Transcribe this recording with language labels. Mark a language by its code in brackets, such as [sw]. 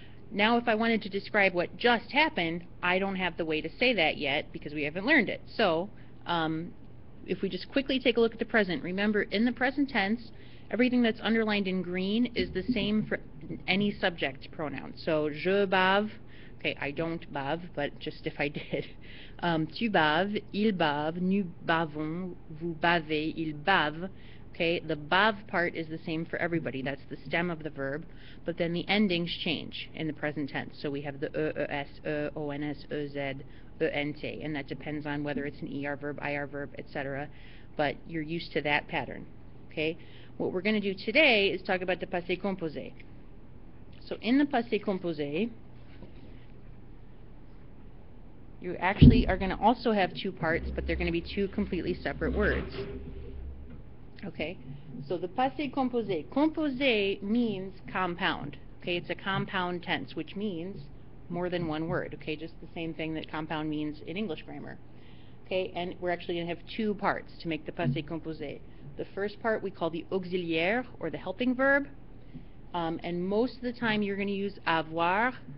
[en] Now if I wanted to describe what just happened, I don't have the way to say that yet because we haven't learned it. So if we just quickly take a look at the present, remember in the present tense, everything that's underlined in green is the same for any subject pronoun. So [fr] je bave, [en] okay, I don't bave, but just if I did. [fr] Tu bave, il bave, nous bavons, vous bavez, il bave. [en] Okay, the bave part is the same for everybody. That's the stem of the verb. But then the endings change in the present tense. So we have the ES, ONS, EZ, ENT. And that depends on whether it's an ER verb, IR verb, etc. But you're used to that pattern. Okay, what we're going to do today is talk about the passé composé. So in the passé composé, you actually are going to also have two parts, but they're going to be two completely separate words. Okay, so the passé composé. Composé means compound. Okay, it's a compound tense, which means more than one word. Okay, just the same thing that compound means in English grammar. Okay, and we're actually going to have two parts to make the passé composé. The first part we call the auxiliaire, or the helping verb. And most of the time you're going to use avoir.